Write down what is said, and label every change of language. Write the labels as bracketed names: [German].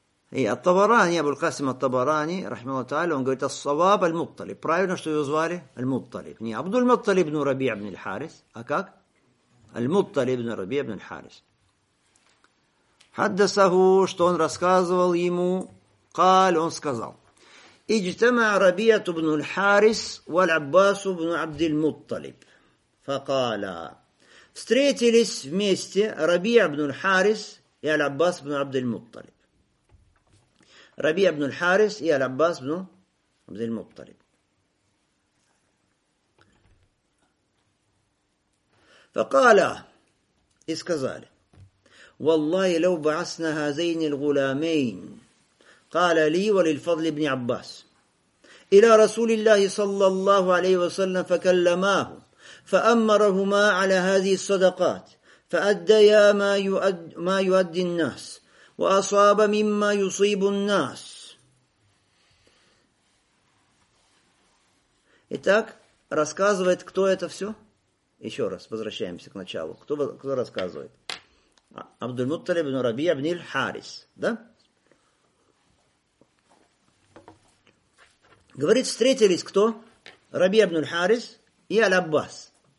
[Russian] И Ат-Табарани, Абуль-Касим Ат-Табарани, рахмаллах, он говорит, ас-саваб аль-Муттолиб. Правильно, что его звали? Аль-Муттолиб. Не Абдуль-Муттолиб ибн Рабиа ибн Харис, а как? Аль-Муттолиб ибн Рабиа ибн Харис. Хаддасаху, что он рассказывал ему, каль, он сказал. [Arabic] اجتمع ربيعة بن الحارس والعباس بن عبد المطلب فقال [Russian] встретились вместе [Arabic] ربيعة بن الحارس и العباس بن عبد المطلب ربيعة بن الحارس и العباس بن عبد المطلب فقال [Russian] и сказали [Arabic] والله لو بعثنا هذين الغلامين قال لي وللفضل بن عباس إلى رسول الله صلى الله عليه وسلم فكلماه فأمرهما على هذه الصدقات فأديا ما يؤدي الناس وأصاب مما يصيب الناس. [Russian] Итак, рассказывает, кто это все? Еще раз, возвращаемся к началу. Кто рассказывает? Абдуль-Мутталиб ибн Рабиа ибн Харис, да? Говорит, встретились кто? Рабиа ибн Харис и Аль-Аббас.